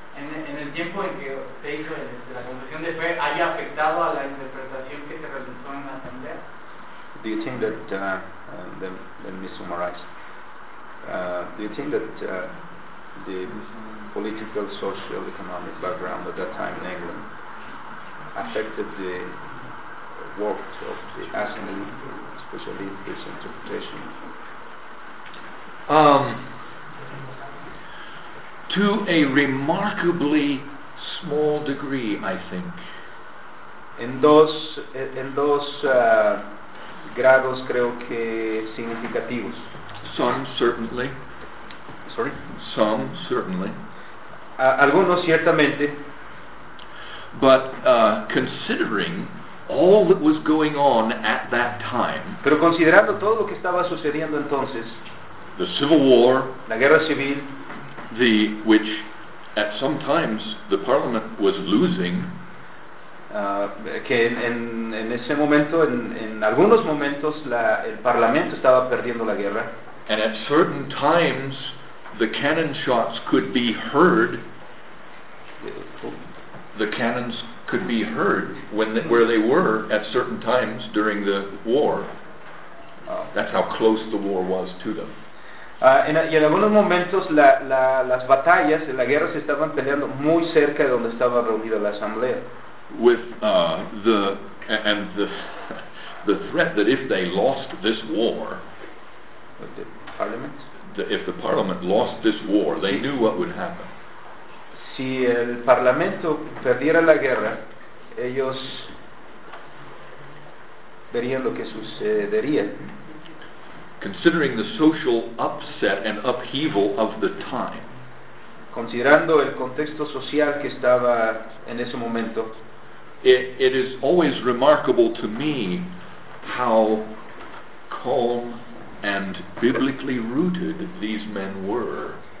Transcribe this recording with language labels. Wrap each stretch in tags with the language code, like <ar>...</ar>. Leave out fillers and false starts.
<es>En el tiempo en que se hizo la confesión de fe, ¿haya afectado a la interpretación que se realizó en la asamblea?</es> <en>Do you think that let me summarize? Do you think that the political, social, economic background at that time in England affected the work of the assembly, especially this interpretation? To a remarkably small degree, I think.</en> <es>En dos grados, creo que significativos.</es> <en>Some certainly. Sorry? Some certainly.</en> <es>Algunos ciertamente.</es> <en>But considering all that was going on at that time.</en> <es>Pero considerando todo lo que estaba sucediendo entonces.</es> <en>The Civil War.</en> <es>La Guerra Civil.</es> <en>Which at some times the parliament was losing.</en> <es>Que en ese momento, en algunos momentos, el parlamento estaba perdiendo la guerra.</es> <en>And at certain times, the cannon shots could be heard. The cannons could be heard where they were at certain times during the war. That's how close the war was to them.</en> <es>Y en algunos momentos las batallas, la guerra se estaban peleando muy cerca de donde estaba reunida la asamblea.</es> <en>With the threat that if they lost this war, if the parliament lost this war, they knew what would happen.</en> <es>Si el parlamento perdiera la guerra, ellos verían lo que sucedería.</es> <en>Considering the social upset and upheaval of the time,</en> <es>considerando el contexto social que estaba en ese momento,</es> <en>it is always remarkable to me how calm and biblically rooted these men were.</en>